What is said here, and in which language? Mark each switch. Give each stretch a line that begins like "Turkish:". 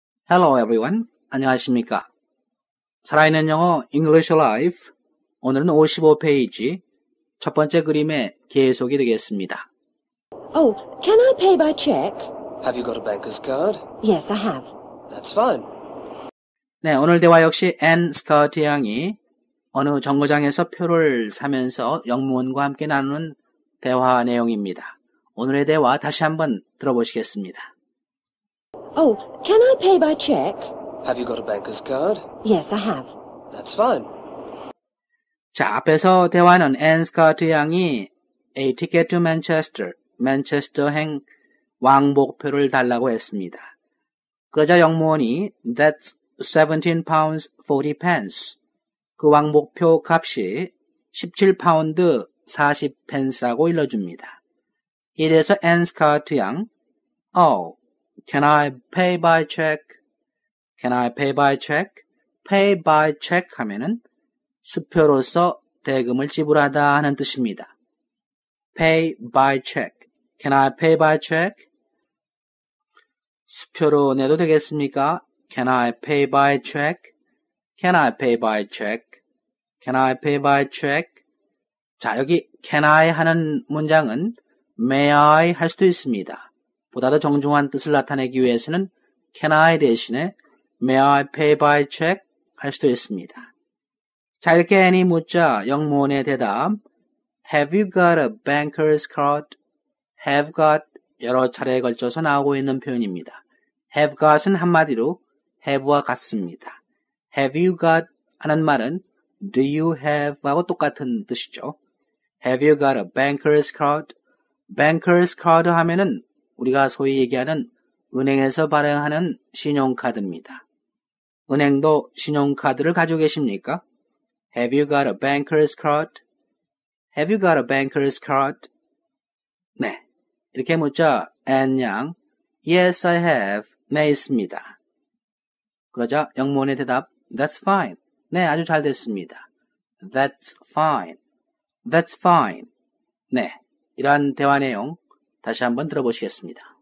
English: Hello everyone,
Korean: 안녕하십니까? 살아있는 영어 English Life, 오늘은 55페이지 첫 번째 그림의 계속이 되겠습니다.
English: Oh, can I pay by check? Have you got a banker's card? Yes, I have. That's fine.
Korean: 네, 오늘 대화 역시 앤 스커트 양이 어느 정거장에서 표를 사면서 영무원과 함께 나누는 대화 내용입니다. 오늘의 대화 다시 한번 들어보시겠습니다.
English: Oh, can I pay by check? Have you got a banker's card? Yes, I have. That's fine.
Korean: 자, 앞에서 대화는 앤 스커트 양이
English: A ticket to Manchester,
Korean: Manchester행 왕복표를 달라고 했습니다. 그러자 영무원이
English: That's 17 pounds 40 pence.
Korean: 그 왕복표 값이 17파운드 40펜스라고 일러줍니다. 이래서 앤 스커트 양
English: Oh, Can I pay by check? Can I pay by check?
Korean: Pay by check 하면은 수표로서 대금을 지불하다 하는 뜻입니다.
English: Pay by check. Can I pay by check?
Korean: 수표로 내도 되겠습니까?
English: Can I pay by check? Can I pay by check? Can I pay by check?
Korean: 자, 여기 can I 하는 문장은 may I 할 수도 있습니다. 보다 더 정중한 뜻을 나타내기 위해서는 can I 대신에
English: may I pay by check
Korean: 할 수도 있습니다. 자, 이렇게 애니 묻자 영무원의 대답
English: have you got a banker's card?
Korean: have got 여러 차례에 걸쳐서 나오고 있는 표현입니다. have got은 한마디로 have와 같습니다. have you got 하는 말은 do you have하고 똑같은 뜻이죠.
English: have you got a banker's card?
Korean: banker's card 하면은 우리가 소위 얘기하는 은행에서 발행하는 신용카드입니다. 은행도 신용카드를 가지고 계십니까?
English: Have you got a banker's card? Have you got a banker's card?
Korean: 네, 이렇게 묻자 앤 양
English: Yes, I have.
Korean: 네, 있습니다. 그러자 영무원의 대답 That's fine. 네, 아주 잘 됐습니다.
English: That's fine. That's fine.
Korean: 네, 이러한 대화 내용 다시 한번 들어보시겠습니다.